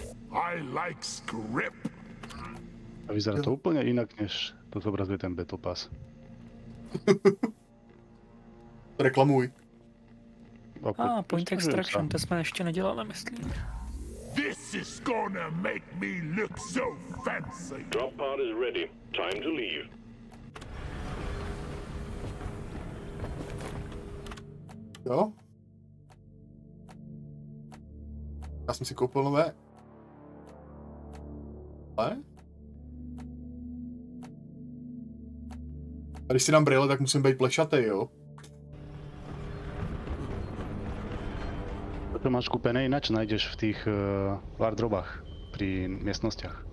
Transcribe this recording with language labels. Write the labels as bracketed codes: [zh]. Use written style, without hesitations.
[en] I like scrip. [cs] A vyzerá to úplně jinak, než to zobrazuje ten battle pass. Reklamuj. Point extraction, to jsme ještě nedělali, myslím. [en] This is gonna make me look so fancy. Drop pod is ready. Time to leave. [cs] Jo? Já jsem si koupil nové. Ale? A když si dám brýle, tak musím být plešatý, jo? [sk] To máš kúpené, ináč nájdeš v tých wardrobách, pri miestnostiach.